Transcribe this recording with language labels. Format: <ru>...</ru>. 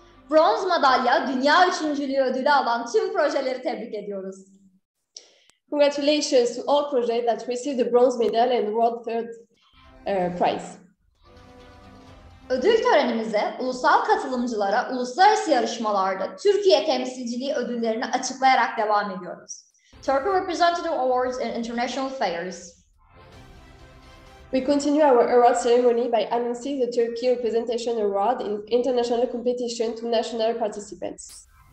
<tr>Bronz madalya dünya üçüncülüğü ödülü alan tüm projeleri tebrik ediyoruz.</tr> <en>Congratulations to all projects that received the bronze medal and world third prize.</en> <tr>Ödül törenimize ulusal katılımcılara uluslararası yarışmalarda Türkiye temsilciliği ödüllerini açıklayarak devam ediyoruz.</tr> <en>Turkey Representative Awards in International Fairs. We continue our award ceremony by announcing the Turkey Representation Award in international competition to national participants.</en>